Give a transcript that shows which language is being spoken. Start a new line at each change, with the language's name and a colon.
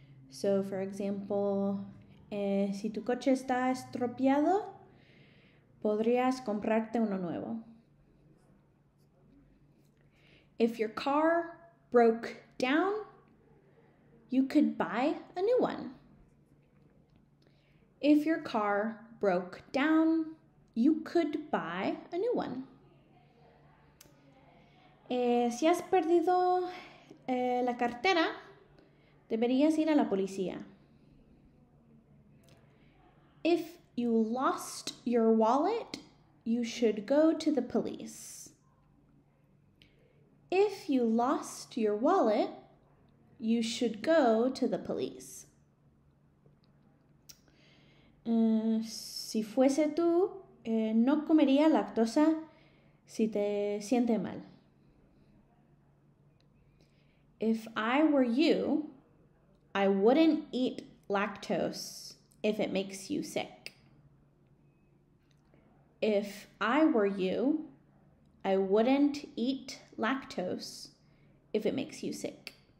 English: So for example,
Spanish: si tu coche está estropeado, podrías comprarte uno nuevo.
English: If your car broke down, you could buy a new one. If your car broke down, you could buy a new one.
Spanish: Si has perdido la cartera, deberías ir a la policía.
English: If you lost your wallet, you should go to the police. If you lost your wallet, you should go to the police.
Spanish: Si fuese tú, no comería lactosa si te siente mal.
English: If I were you, I wouldn't eat lactose if it makes you sick. If I were you, I wouldn't eat lactose if it makes you sick.